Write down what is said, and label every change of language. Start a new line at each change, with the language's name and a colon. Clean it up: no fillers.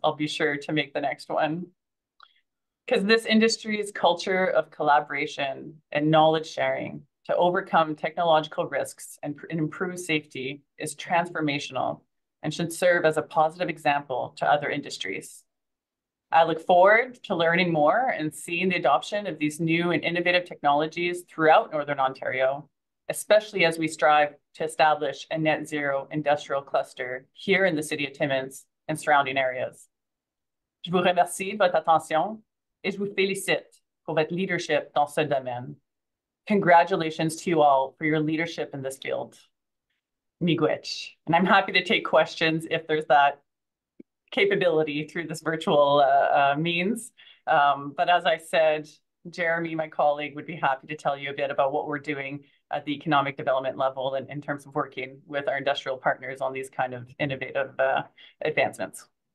English: I'll be sure to make the next one. Because this industry's culture of collaboration and knowledge sharing to overcome technological risks and improve safety is transformational and should serve as a positive example to other industries. I look forward to learning more and seeing the adoption of these new and innovative technologies throughout Northern Ontario, especially as we strive to establish a net zero industrial cluster here in the city of Timmins and surrounding areas.
French: Je vous remercie de votre attention et je vous félicite pour votre leadership dans ce domaine.
English: Congratulations to you all for your leadership in this field. Miigwech. And I'm happy to take questions if there's that capability through this virtual means. But as I said, Jeremy, my colleague, would be happy to tell you a bit about what we're doing at the economic development level and in terms of working with our industrial partners on these kind of innovative advancements.